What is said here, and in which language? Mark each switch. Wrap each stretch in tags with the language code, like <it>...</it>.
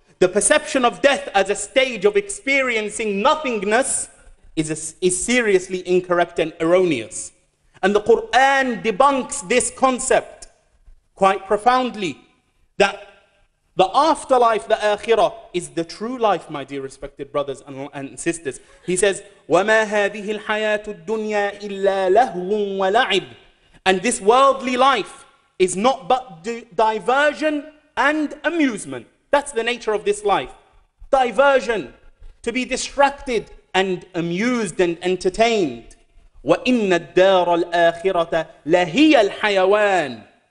<en>The perception of death as a stage of experiencing nothingness is seriously incorrect and erroneous. And the Quran debunks this concept quite profoundly, that the afterlife, the akhirah, is the true life, my dear respected brothers and sisters.</en> <ar>He says, وَمَا هَذِهِ الْحَيَاةُ الدُّنْيَا إِلَّا لَهْوٌ وَلَعِبٌ.</ar> <en>And this worldly life is not but diversion and amusement. That's the nature of this life. Diversion, to be distracted and amused and entertained.</en> <ar>وَإِنَّ الدَّارَ الْآخِرَةَ لَهِيَ الْحَيَوَانِ.</ar>